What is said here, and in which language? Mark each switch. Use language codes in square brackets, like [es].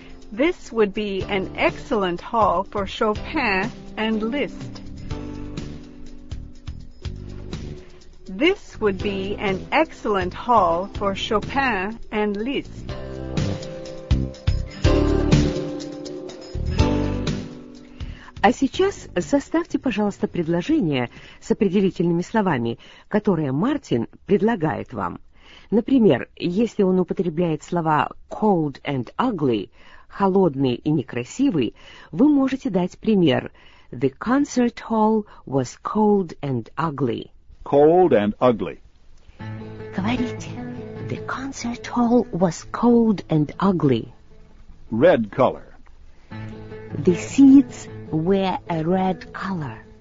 [en] This would be an excellent hall for Chopin and Liszt. This would be an excellent hall for Chopin and Liszt. [ru] А сейчас составьте, пожалуйста, предложение с определительными словами, которые Мартин предлагает вам. Например, если он употребляет слова [en] cold and ugly, [ru] холодный и некрасивый, вы можете дать пример. [en] The concert hall was cold and ugly. Cold and ugly. [ru] Говорите. [en] The concert hall was cold and ugly. Red color. The seats were a red color.